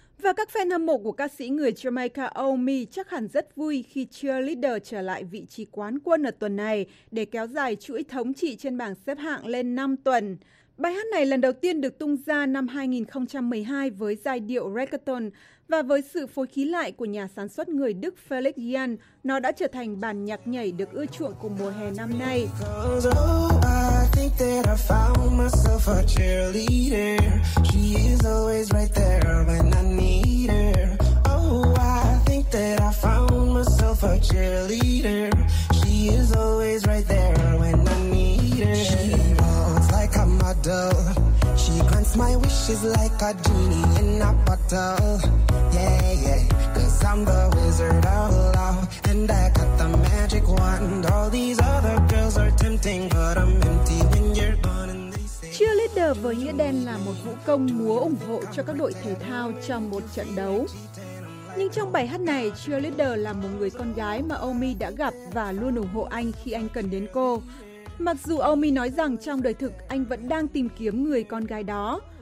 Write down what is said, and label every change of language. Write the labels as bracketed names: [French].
[Vietnamese] Và các fan hâm mộ của ca sĩ người Jamaica Omi chắc hẳn rất vui khi Cheerleader trở lại vị trí quán quân ở tuần này để kéo dài chuỗi thống trị trên bảng xếp hạng lên 5 tuần. Bài hát này lần đầu tiên được tung ra năm 2012 với giai điệu reggaeton và với sự phối khí lại của nhà sản xuất người Đức Felix Jan, nó đã trở thành bản nhạc nhảy được ưa chuộng của mùa hè năm nay. [English] I think that I found myself a cheerleader. She is always right there when I need her. Oh, I think that her cheerleader. She is always right there when I need her. She evolves like a model. She grants my wishes like a genie in a bottle. Yeah, yeah. 'Cause I'm the wizard of love and I got the magic wand. All these other girls are tempting, but I'm empty when you're gone. [Vietnamese] Cheerleader với nghĩa đen là một vũ công múa ủng hộ cho các đội thể thao trong một trận đấu. Nhưng trong bài hát này, cheerleader là một người con gái mà Omi đã gặp và luôn ủng hộ anh khi anh cần đến cô. Mặc dù Omi nói rằng trong đời thực anh vẫn đang tìm kiếm người con gái đó.